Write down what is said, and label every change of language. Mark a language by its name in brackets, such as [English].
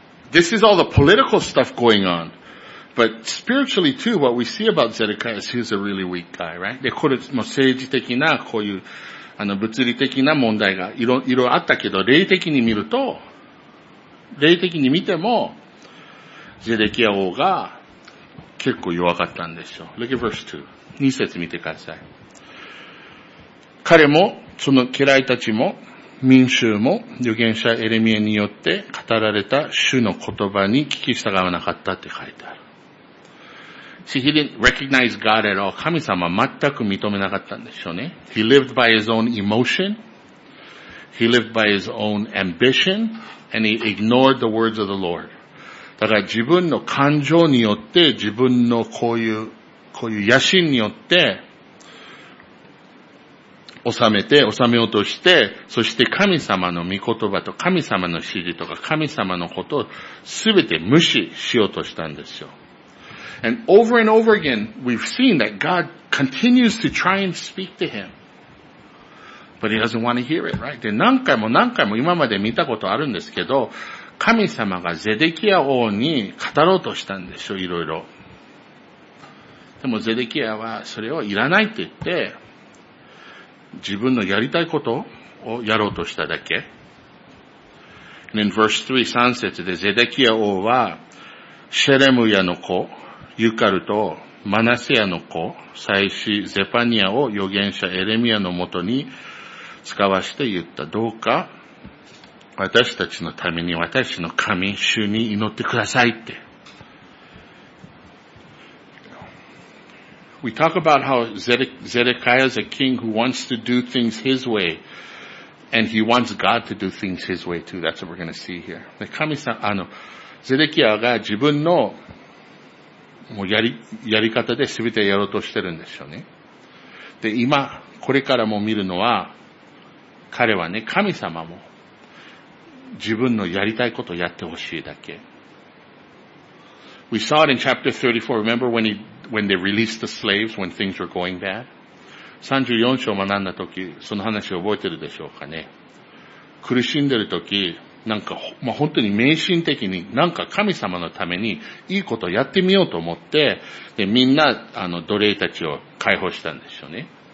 [English] This is all the political stuff going on. But spiritually too, what we see about Zedekiah is he's a really weak guy, right? [Japanese] で、これも政治的な、こういう、物理的な問題がいろいろあったけど、霊的に見ても、ゼデキヤ王が、結構弱かったんでしょう。 [English] Look at verse 2. [Japanese] 二節見てください。彼も、その家来たちも、民衆も、預言者エレミエによって語られた主の言葉に聞き従わなかったって書いてある。 [English] See, he didn't recognize God at all. [Japanese] 神様は全く認めなかったんでしょうね。 [English] He lived by his own emotion. He lived by his own ambition. And he ignored the words of the Lord. [Japanese] だから自分の感情によって、自分のこういう野心によって、収めようとして、そして神様の御言葉と神様の指示とか神様のことをすべて無視しようとしたんですよ。 [English] And over and over again, we've seen that God continues to try and speak to him. But he doesn't want to hear it, right? [Japanese] で、何回も今まで見たことあるんですけど、神様がゼデキヤ王に語ろうとしたんですよ、いろいろ。でもゼデキヤはそれをいらないって言って、自分のやりたいことをやろうとしただけ。 [English] And in verse 3, [Japanese] 3節で、ゼデキヤ王は、シェレムヤの子、ユカルと、マナセヤの子、祭司ゼパニアを預言者エレミヤのもとに使わして言った。どうか、私たちのために私の神、主に祈ってくださいって。 [English] We talk about how Zedekiah is a king who wants to do things his way, and he wants God to do things his way too. That's what we're going to see here. [Japanese] で、神様、Zedekiah が自分のもうやり方で全てやろうとしてるんですよね。で、今、これからも見るのは、彼はね、神様も自分のやりたいことをやってほしいだけ。 [English] We saw it in chapter 34. Remember when they released the slaves when things were going bad? [Japanese] 34章を学んだ時、その話を覚えてるでしょうかね。苦しんでる時、なんか、まあ、本当に迷信的に、なんか神様のためにいいことをやってみようと思って、で、みんな、奴隷たちを解放したんですよね。